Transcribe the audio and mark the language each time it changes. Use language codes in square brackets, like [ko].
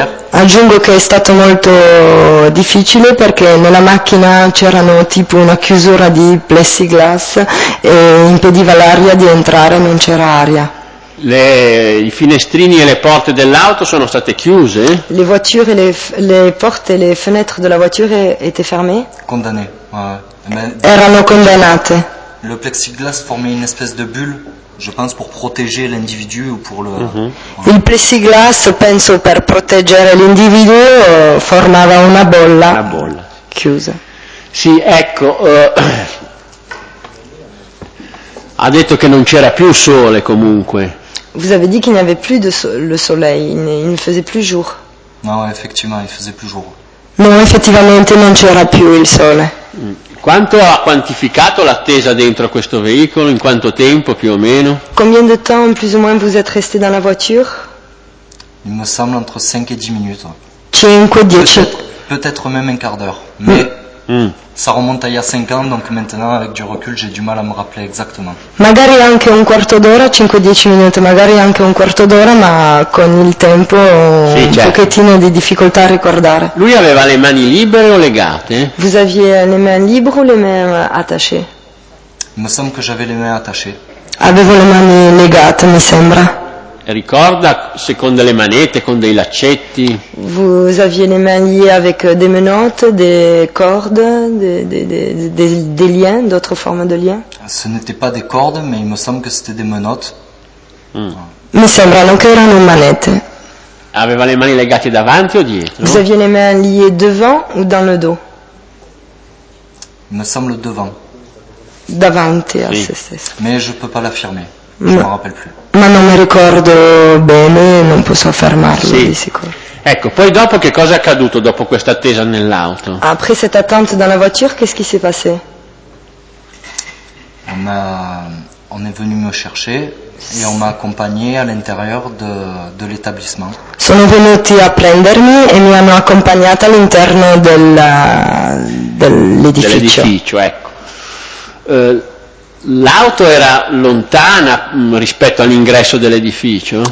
[it] Aggiungo che è stato molto difficile perché nella macchina c'erano tipo una chiusura di plessiglass e impediva l'aria di entrare, non c'era aria. I finestrini e le porte dell'auto sono state chiuse? [fr] Le voiture, [it] le porte e [fr] le fenêtre della voiture étaient fermées? [it] Condannate. Erano condannate. [fr] Le plexiglas formait une espèce de bulle, je pense, pour protéger l'individu ou pour le... [it] Il plexiglas, penso, per proteggere l'individuo, formava una bolla. Una bolla. Chiusa. Sì, ecco, ha detto che non c'era più sole, comunque. [fr] Vous avez dit qu'il n'y avait plus de soleil, il ne faisait plus jour. Non, effectivement, il faisait plus jour. [it] Non, effettivamente non c'era più il sole. Quanto ha quantificato l'attesa dentro questo veicolo? In quanto tempo più o meno? [fr] Combien de temps plus ou moins vous êtes resté dans la voiture? Il me semble entre 5 et 10 minutes. [it] 5-10. [fr] Peut-être même un quart d'heure. Mais ça remonte à il y a 5 ans, donc maintenant avec du recul, j'ai du mal à me rappeler exactement. [it] Magari anche un quarto d'ora, 5-10 minutes, magari anche un quarto d'ora, ma con il tempo sì, un pochettino di difficoltà a ricordare. Lui aveva le mani libere o legate? [fr] Vous aviez les mains libres ou les mains attachées? Il me semble que j'avais les mains attachées. [it] Avevo le mani legate, mi sembra. Ricorda se con delle manette, con dei laccetti? [fr] Vous aviez les mains liées avec des menottes, des cordes, des liens, d'autres formes de liens? Ce n'était pas des cordes, mais il me semble que c'était des menottes. [it] Mi sembrano che erano manette. Aveva le mani legate davanti o dietro? [fr] Vous aviez les mains liées devant ou dans le dos? Il me semble devant. [it] Davanti, sì. A se stesso. [fr] Mais je peux pas l'affirmer. Non. Je m'en rappelle plus. [it] Ma non mi ricordo bene, non posso affermarlo, sì. Di sicuro. Ecco, poi dopo che cosa è accaduto dopo questa attesa nell'auto? [fr] Après cette attente dans la voiture, qu'est-ce qui s'est passé? On a On est venu me chercher et on m'a accompagné à l'intérieur de l'établissement. [it] Sono venuti a prendermi e mi hanno accompagnata all'interno dell'edificio. Dell'edificio, ecco. L'auto era lontana rispetto all'ingresso dell'edificio?